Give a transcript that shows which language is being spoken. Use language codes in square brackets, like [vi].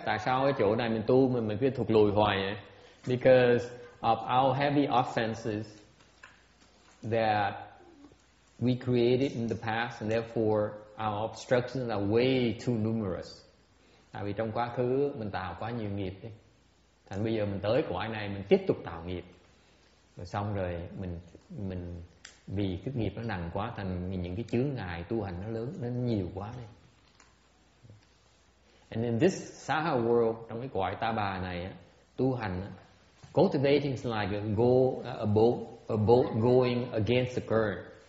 [vi] Tại sao ở chỗ này mình tu mình cứ thụt lùi hoài vậy? [en] Because of our heavy offenses that we created in the past, and therefore our obstructions are way too numerous. [vi] Tại vì trong quá khứ mình tạo quá nhiều nghiệp đấy. Thành bây giờ mình tới cõi này mình tiếp tục tạo nghiệp. Rồi xong rồi mình vì cái nghiệp nó nặng quá, thành những cái chướng ngại tu hành nó lớn, nó nhiều quá đấy. [en] And in this Saha world, [vi] trong cái cõi ta bà này á, tu hành á, [en] cultivating is like a boat going against the current.